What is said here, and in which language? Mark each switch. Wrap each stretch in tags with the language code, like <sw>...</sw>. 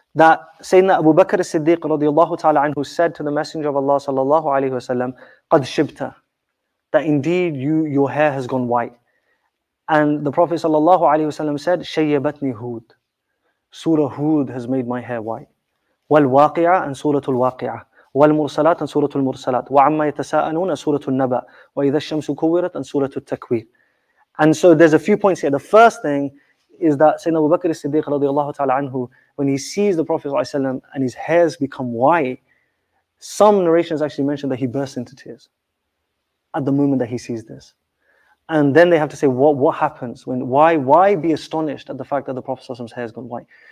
<en>That Sayyidina Abu Bakr as-Siddiq radiallahu ta'ala anhu said to the Messenger of Allah sallallahu alayhi wa sallam,</en> <ar>قَدْ شِبْتَ,</ar> <en>that indeed your hair has gone white. And the Prophet sallallahu alayhi wa sallam said,</en> <ar>شَيَّبَتْنِي هُود,</ar> <en>Surah Hud has made my hair white. وَالْوَاقِعَ and Surah Al-Waqi'ah.</en> <ar>والمرسلات أن سورة المرسلات وعما يتساءلون أن سورة النبأ وإذا الشمس كورت أن سورة التكوير.</ar> <en>And so there's a few points here. The first thing is that Sayyidina Abu Bakr as-Siddiq radiallahu ta'ala anhu, when he sees the Prophet sallallahu alaihi and his hairs become white, some narrations actually mention that he bursts into tears at the moment that he sees this. And then they have to say, what happens? Why be astonished at the fact that the Prophet sallallahu alaihi wasallam's hair has gone white?</en>